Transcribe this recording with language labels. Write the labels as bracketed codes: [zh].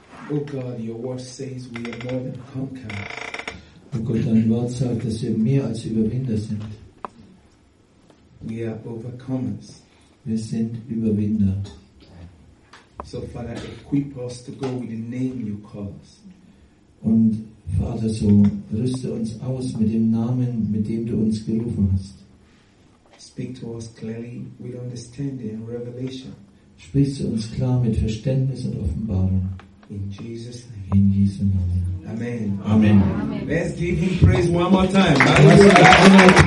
[en] Oh God, your word says we are more than conquerors. [de] Oh Gott, dein Wort sagt, dass wir mehr als Überwinder sind. [en] We are overcomers. [de] Wir sind Überwinder. [en] So Father, equip us to go with the name you call us. [de] Und Vater, so rüste uns aus mit dem Namen, mit dem du uns gerufen hast. [en] Speak to us clearly with understanding and revelation. [de] Sprich zu uns klar mit Verständnis und Offenbarung. [en] In Jesus' name. [de] In Jesu Namen. Amen. Amen. [en] Let's give him praise one more time. Hallelujah.